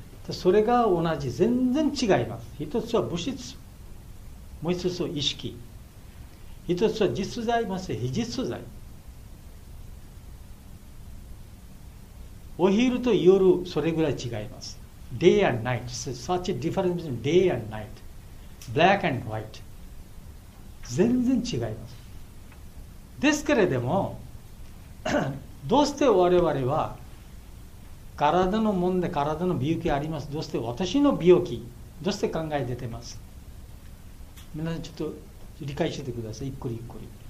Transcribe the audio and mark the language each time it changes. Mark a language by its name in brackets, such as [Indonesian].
[Japanese] それが同じ。全然違います。一つは物質。もう一つは意識。一つは実在、もう一つは非実在。お昼と夜、それぐらい違います。 [English] Day and night, such a difference between day and night, black and white. [Japanese] 全然違います。ですけれども、どうして我々は体の問題、体の病気あります。どうして私の病気、どうして考え出てます。皆さんちょっと理解してください、ゆっくりゆっくり。